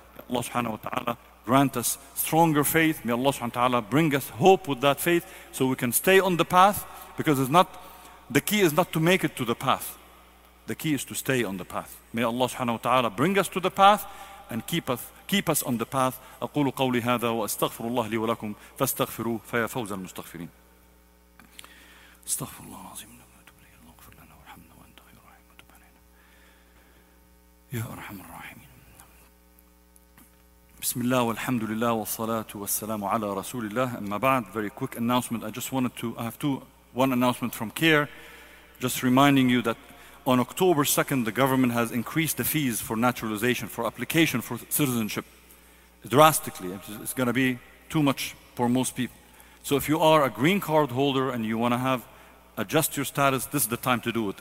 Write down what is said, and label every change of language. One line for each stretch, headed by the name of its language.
English: Allah subhanahu wa ta'ala grant us stronger faith. May Allah subhanahu wa ta'ala bring us hope with that faith so we can stay on the path, because it's not, the key is not to make it to the path. The key is to stay on the path. May Allah subhanahu wa ta'ala bring us to the path and keep us on the path.
Arabic: أقول قولي هذا وأستغفر الله لي ولكم فاستغفروه فيا فوز المستغفرين. استغفر الله العظيم واغفر لنا وارحمنا وأنت خير الراحمين وتب علينا يا أرحم الراحمين. بسم الله والحمد لله والصلاة والسلام على رسول الله. أما بعد,
English: very quick announcement. I have one announcement from CARE, just reminding you that on October 2nd, the government has increased the fees for naturalization, for application for citizenship, drastically. It's going to be too much for most people. So if you are a green card holder and you want to have adjust your status, this is the time to do it.